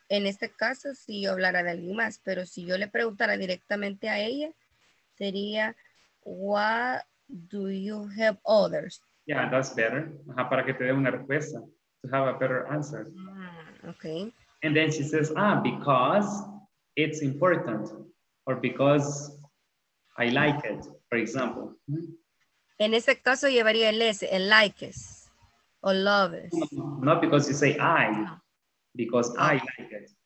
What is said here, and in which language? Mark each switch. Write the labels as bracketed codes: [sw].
[es] En este caso, si yo hablara de alguien más, pero si yo le preguntara directamente a ella, sería, [en] what do you help others? Yeah, that's better. [es] Ajá, para que te dé una respuesta. [en] To have a better answer. Okay. And then she says, because... it's important, or because I like it, for example. [es] En ese caso llevaría el S, el likes, [en] or loves. No, not because you say I, because I like it.